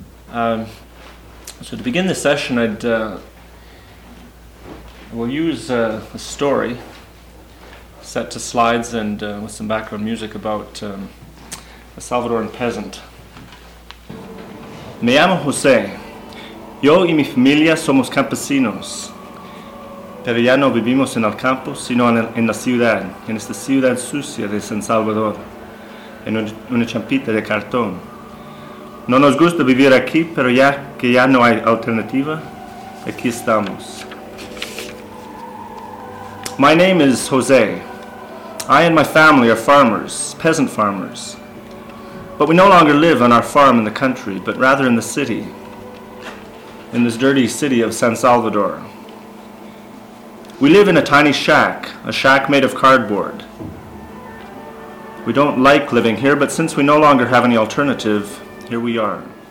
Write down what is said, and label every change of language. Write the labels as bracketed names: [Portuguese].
[English] So to begin this session, we'll use a story set to slides and with some background music about a Salvadoran peasant. [Spanish] Me llamo José. Yo y mi familia somos campesinos. Pero ya no vivimos en el campo, sino en la ciudad, en esta ciudad sucia de San Salvador, en una champita de cartón. No nos gusta vivir aquí, pero ya que ya no hay alternativa, aquí estamos. [English] My name is José. I and my family are farmers, peasant farmers. But we no longer live on our farm in the country, but rather in the city, in this dirty city of San Salvador. We live in a tiny shack, a shack made of cardboard. We don't like living here, but since we no longer have any alternative, here we are.